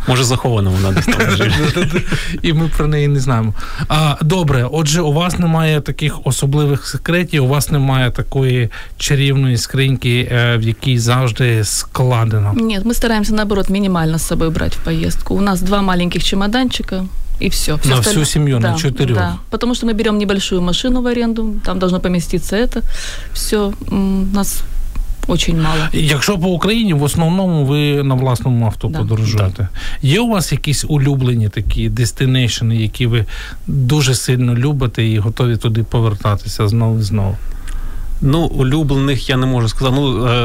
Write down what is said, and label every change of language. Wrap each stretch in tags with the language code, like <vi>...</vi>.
<uk>Може захована вона десь там лежить. І ми про неї не знаємо. Добре, отже, у вас немає таких особливих секретів, у вас немає такої чарівної скриньки, в якій завжди складено. Ні, ми стараємося, наоборот, мінімально з собою брати в поїздку. У нас два маленьких чемоданчика.</uk> <ru>И все. На остальное... всю семью, да, на четырех. Да. Потому что мы берем небольшую машину в аренду, там должно поместиться это. Все, нас очень мало.</ru> <uk>Якщо по Україні, в основному ви на власному авто, да, подорожуєте. Да. Є у вас якісь улюблені такі дестинейшени, які ви дуже сильно любите і готові туди повертатися знову і знову? Ну, улюблених я не можу сказати. Ну,</uk>